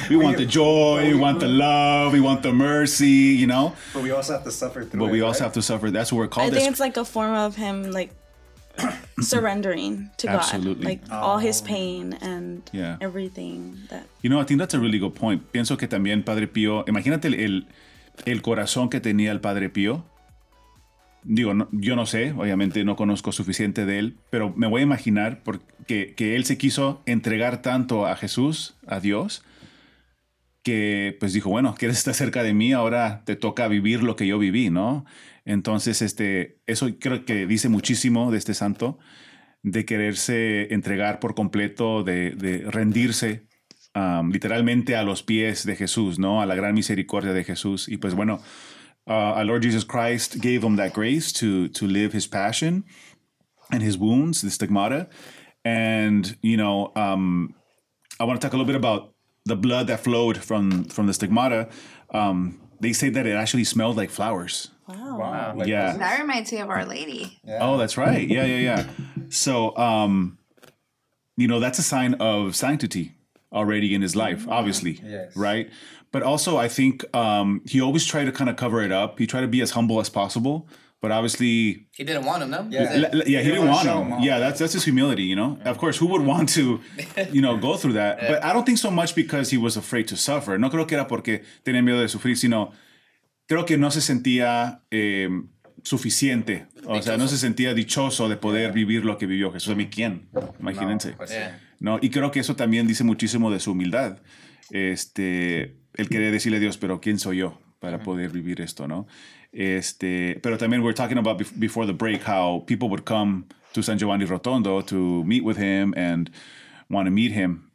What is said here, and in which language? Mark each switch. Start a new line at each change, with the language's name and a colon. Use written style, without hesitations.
English: We want the joy, we want the love, we want the mercy, you know? But we also have to suffer through But it, we right? also have to suffer. That's what we're called. I think it's like a form of him, like, surrendering to God. Absolutely. Like, all his pain and everything. That. You know, I think that's a really good point.
Spanish: Pienso que también Padre Pío, imagínate el corazón que tenía el Padre Pío. Digo, no, yo no sé, obviamente no conozco suficiente de él, pero me voy a imaginar que él se quiso entregar tanto a Jesús, a Dios, que pues dijo, bueno, quieres estar cerca de mí, ahora te toca vivir lo que yo viví, ¿no? Entonces, eso creo que dice muchísimo de este santo, de quererse entregar por completo, de rendirse literalmente a los pies de Jesús, ¿no? A la gran misericordia de Jesús. Y pues bueno...
English: our Lord Jesus Christ gave him that grace to live his passion and his wounds, the stigmata. And, you know, I want to talk a little bit about the blood that flowed from the stigmata. They say that it actually smelled like flowers. Wow. Yeah. That reminds me of Our Lady. Yeah. Oh, that's right. Yeah. So, you know, that's a sign of sanctity, already in his life, obviously, yes. Right? But also, I think he always tried to kind of cover it up. He tried to be as humble as possible, but obviously... He didn't want him, though. Yeah, he didn't want him. Yeah, that's his humility, you know? Yeah. Of course, who would want to, you know, go through that? Yeah. But I don't think so much because he was afraid to suffer.
Spanish: No creo que era porque tenía miedo de sufrir, sino creo que no se sentía suficiente. O sea, no se sentía dichoso de poder vivir lo que vivió Jesús. ¿A mí quién? Imagínense. No, pues, yeah. No, y creo que eso también dice muchísimo de su humildad. Él quería decirle a Dios, pero ¿quién soy yo para poder vivir esto, no? Pero también
English: we're talking about before the break how people would come to San Giovanni Rotondo to meet with him and want to meet him.